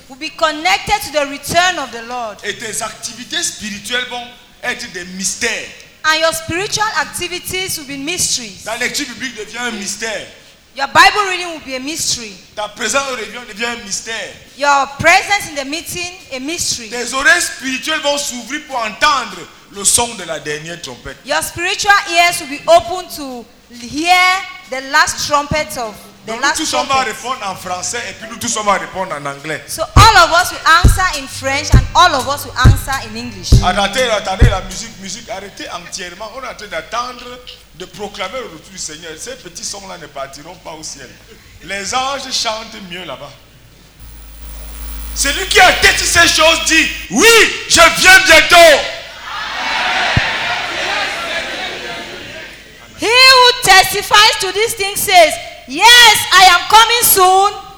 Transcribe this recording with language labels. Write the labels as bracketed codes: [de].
[en] Will be connected to the return of the Lord. [fr] Et tes activités spirituelles vont être des mystères. [en] And your spiritual activities will be mysteries. [fr] Ta lecture biblique devient un mystère. [en] Your Bible reading will be a mystery. [fr] Ta présence aux réunions devient un mystère. [en] Your presence in the meeting, a mystery. [fr] Tes oreilles spirituelles vont s'ouvrir pour entendre le son de la dernière trompette. [en] Your spiritual ears will be open to hear the last trumpet of the [fr] Donc [en] last [fr] nous tous [en] trumpet. [fr] On va répondre en français et puis nous tous on va répondre en anglais. [en] So all of us will answer in French and all of us will answer in English. [fr] Arrêtez, attendez la musique, musique, arrêtez entièrement. On est en train d'attendre de proclamer le retour du Seigneur. Ces petits sons-là ne partiront pas au ciel. Les anges chantent mieux là-bas. Celui qui a têtu ces choses dit, oui, je viens bientôt. [en] He who testifies to these things says, yes, I am coming soon.